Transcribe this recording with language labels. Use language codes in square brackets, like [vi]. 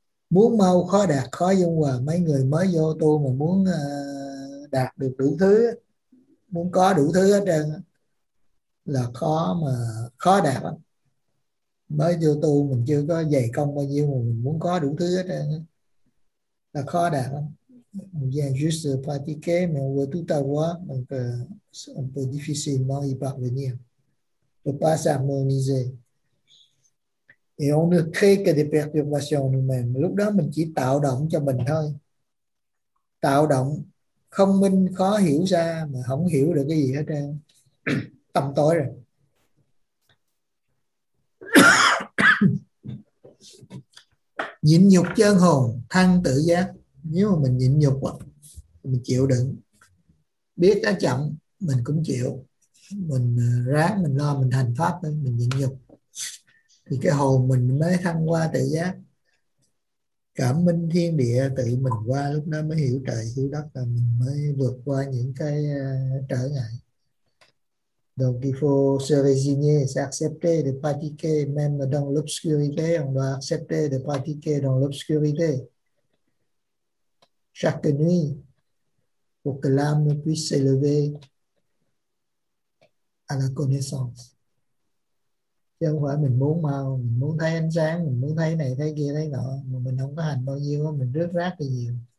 [vi] Muốn mau khó đạt, khó dung hòa. Mấy người mới vô tu mà muốn đạt được đủ thứ, muốn có đủ thứ hết trơn là khó, mà khó đạt lắm. Mới vô tu mình chưa có dày công bao nhiêu mà mình muốn có đủ thứ hết trơn là khó đạt lắm. Mình dành [fr] juste pratiquer mais on veut tout avoir donc un peu difficilement y parvenir. On peut pas s'harmoniser. Et on ne crée que des perturbations nous-mêmes. [vi] Lúc đó mình chỉ tạo động cho mình thôi. Tạo động không minh khó hiểu ra mà không hiểu được cái gì hết trơn. Tâm tối rồi. Nhịn nhục chân hồn, thăng tự giác. Nếu mà mình nhịn nhục, mình chịu đựng, biết nó chậm, mình cũng chịu. Mình ráng, mình lo, mình hành pháp, mình nhịn nhục. Thì cái hồn mình mới thăng qua tự giác. Cảm minh thiên địa tự mình qua, lúc đó mới hiểu trời, hiểu đất, là mình mới vượt qua những cái trở ngại. [fr] Donc il faut se résigner, s'accepter de pratiquer même dans l'obscurité. On doit accepter de pratiquer dans l'obscurité chaque nuit pour que l'âme puisse s'élever à la connaissance. [vi] Chứ không phải mình muốn mau, mình muốn thấy ánh sáng, mình muốn thấy này, thấy kia, thấy nọ. Mà mình không có hành bao nhiêu, mình rước rác thì nhiều.